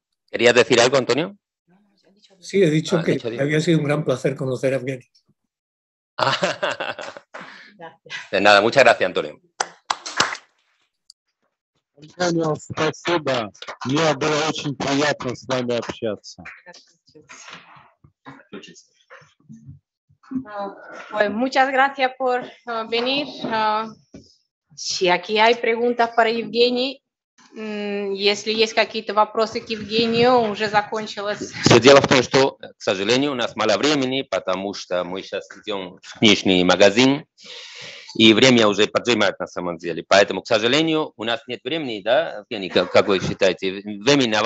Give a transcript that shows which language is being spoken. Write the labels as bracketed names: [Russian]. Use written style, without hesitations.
[Spanish] ¿Querías decir algo, Antonio? Sí, he dicho que dicho había sido un gran placer conocer a Afgeny. De nada, muchas gracias, Antonio. [Russian] Antonio, спасибо. Мне было очень приятно с вами общаться. [Spanish] Pues muchas gracias por venir. Si aquí hay preguntas para [Russian] Евгений, если есть какие-то вопросы к Евгению, уже закончилось. Все дело в том, что, к сожалению, у нас мало времени, потому что мы сейчас идем в книжный магазин, и время уже поджимает на самом деле. Поэтому, к сожалению, у нас нет времени, да, Евгений, как вы считаете, времени на вопрос?